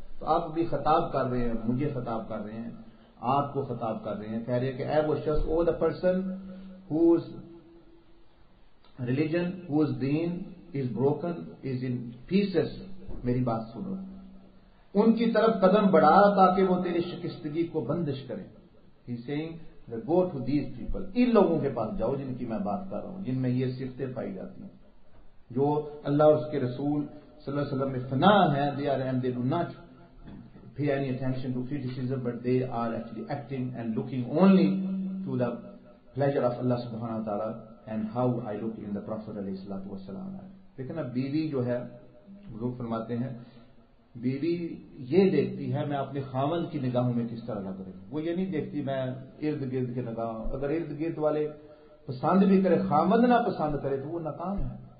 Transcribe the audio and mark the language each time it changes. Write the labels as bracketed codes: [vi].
[ur] تو آپ بھی خطاب کر رہے ہیں، مجھے خطاب کر رہے ہیں، آپ کو خطاب کر رہے ہیں، کہہ رہے ہیں کہ اے وہ شخص، [en] oh the person whose religion, whose دین is broken, is in pieces, [ur] میری بات سنو، ان کی طرف قدم بڑھا تاکہ وہ تیری شکستگی کو بندش کریں. [en] he saying go to these people, [ur] ان لوگوں کے پاس جاؤ جن کی میں بات کر رہا ہوں، جن میں یہ صفتیں پائی جاتی ہیں، جو اللہ اس کے رسول صلی اللہ علیہ وسلم میں فنا ہیں. [en] They are and they do not pay any attention to criticism, but they are actually acting and looking only to the pleasure of Allah سبحانہ تعالیٰ and how I look in the prophet علیہ الصلوۃ والسلام. [ur] دیکھیں نا بیوی جو ہے, بزرگ فرماتے ہیں بیوی یہ دیکھتی ہے میں اپنے خاوند کی نگاہوں میں کس طرح لگ رہی ہوں. وہ یہ نہیں دیکھتی میں ارد گرد کے نگاہوں, اگر ارد گرد والے پسند بھی کرے خاوند نہ پسند کرے تو وہ ناکام ہے.